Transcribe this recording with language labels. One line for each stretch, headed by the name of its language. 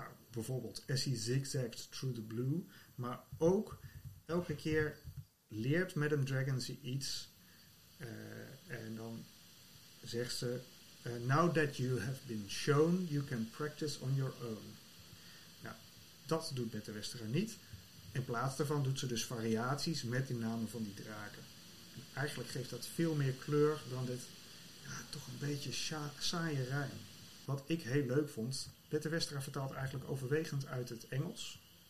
Dutch: Bijvoorbeeld,
English: as he zigzags through the blue.
Dutch: Maar ook, elke keer leert Madame Dragon ze iets. En dan zegt ze...
English: now that you have been shown, you can practice on your own.
Dutch: Nou, dat doet Bette Westra niet. In plaats daarvan doet ze dus variaties met de namen van die draken. En eigenlijk geeft dat veel meer kleur dan dit ja, toch een beetje saaie rijm. Wat ik heel leuk vond, Bette Westra vertaalt eigenlijk overwegend uit het Engels.